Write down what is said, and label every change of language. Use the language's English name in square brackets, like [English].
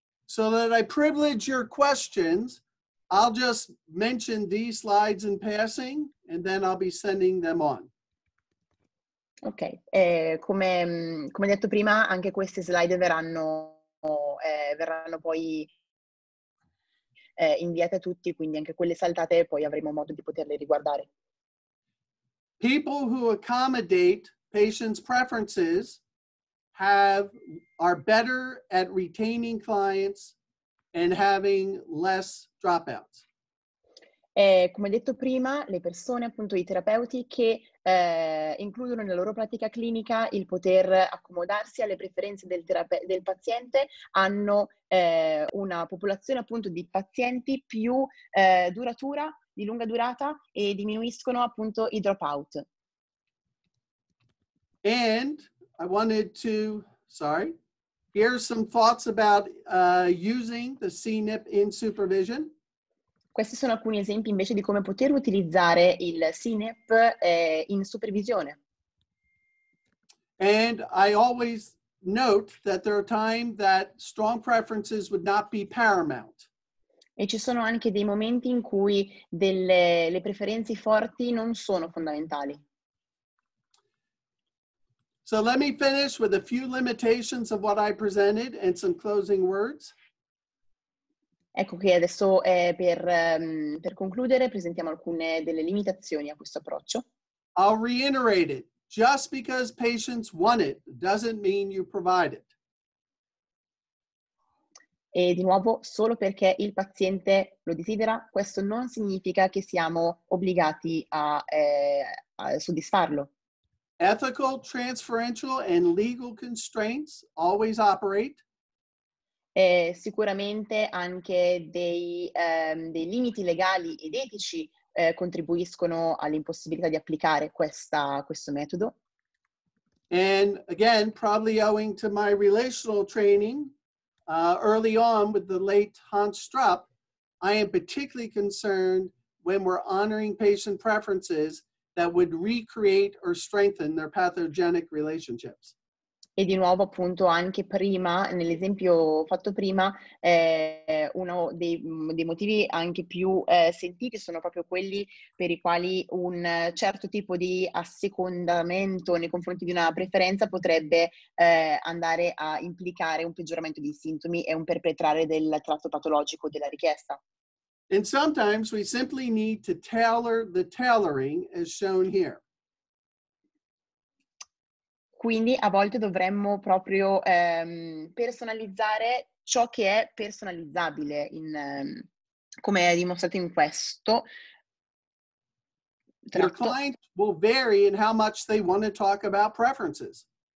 [English] So that I privilege your questions, I'll just mention these slides in passing and then I'll be sending them on. [Italian] Ok, come detto prima, anche queste slide verranno poi inviate a tutti, quindi anche quelle saltate poi avremo modo di poterle riguardare. [English] People who accommodate patients' preferences are better at retaining clients and having less dropouts. [Italian] Come detto prima, le persone, appunto i terapeuti, che includono nella loro pratica clinica il poter accomodarsi alle preferenze del paziente, hanno una popolazione appunto di pazienti più duratura, di lunga durata, e diminuiscono appunto i dropout. [English] And I wanted to, here's some thoughts about using the CNIP in supervision. [Italian] Questi sono alcuni esempi invece di come poter utilizzare il CNIP in supervisione. [English] And I always note that there are times that strong preferences would not be paramount. [Italian] E ci sono anche dei momenti in cui le preferenze forti non sono fondamentali. [English] So let me finish with a few limitations of what I presented and some closing words. [Italian] Ecco che adesso per concludere presentiamo alcune delle limitazioni a questo approccio. [English] I'll reiterate it. Just because patients want it doesn't mean you provide it. [Italian] E di nuovo, solo perché il paziente lo desidera, questo non significa che siamo obbligati a soddisfarlo. [English] Ethical, transferential and legal constraints always operate. [Italian] Sicuramente anche dei limiti legali ed etici contribuiscono all'impossibilità di applicare questo metodo. [English] And again, probably owing to my relational training early on with the late Hans Strupp, I am particularly concerned when we're honoring patient preferences that would recreate or strengthen their pathogenic relationships. [Italian] E di nuovo appunto anche prima, nell'esempio fatto prima, uno dei motivi anche più sentiti sono proprio quelli per i quali un certo tipo di assecondamento nei confronti di una preferenza potrebbe andare a implicare un peggioramento dei sintomi e un perpetrare del tratto patologico della richiesta. [English] And sometimes we simply need to tailor the tailoring as shown here. [Italian] Quindi a volte dovremmo proprio personalizzare ciò che è personalizzabile, come è dimostrato in questo tratto. [English] Your client will vary in how much they want to talk about preferences.